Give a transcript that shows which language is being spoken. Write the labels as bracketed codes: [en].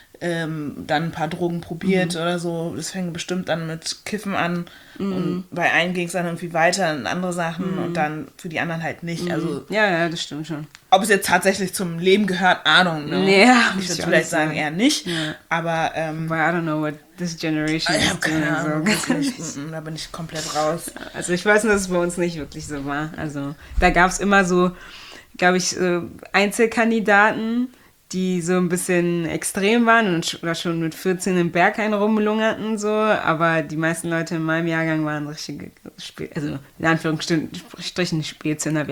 [de] dann ein paar Drogen probiert oder so. Das fängt bestimmt dann mit Kiffen an. Und bei einem ging es dann irgendwie weiter in andere Sachen und dann für die anderen halt nicht. Also, ja, ja, das stimmt schon. Ob es jetzt tatsächlich zum Leben gehört, Ahnung. Ne? Ja, ich würde vielleicht sagen, eher nicht. Ja. Aber, weil [en] I don't know what this generation is doing. [de] Keine Ahnung, so. Da bin ich komplett raus. Also ich weiß nur, dass es bei uns nicht wirklich so war. Also da gab es immer so, glaube ich, Einzelkandidaten, die so ein bisschen extrem waren und schon mit 14 im Berghain rumlungerten, so, aber die meisten Leute in meinem Jahrgang waren richtige, also in Anführungsstrichen Spielzünder.